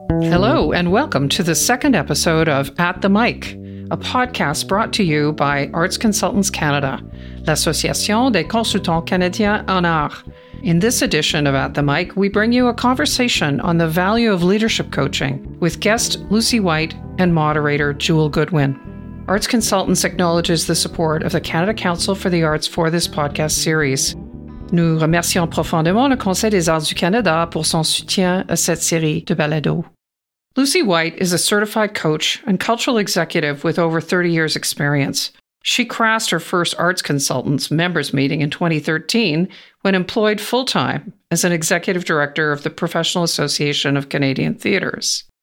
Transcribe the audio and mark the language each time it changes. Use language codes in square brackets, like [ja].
[en] Hello, and welcome to the second episode of At the Mic, a podcast brought to you by Arts Consultants Canada, l'Association des Consultants Canadiens en Art. In this edition of At the Mic, we bring you a conversation on the value of leadership coaching with guest Lucy White and moderator Jewel Goodwin. Arts Consultants acknowledges the support of the Canada Council for the Arts for this podcast series. [fr] Nous remercions profondément le Conseil des Arts du Canada pour son soutien à cette série de balado. [en] Lucy White is a certified coach and cultural executive with over 30 years' experience. She crashed her first Arts Consultants members meeting in 2013 when employed full-time as an executive director of the Professional Association of Canadian Theatres.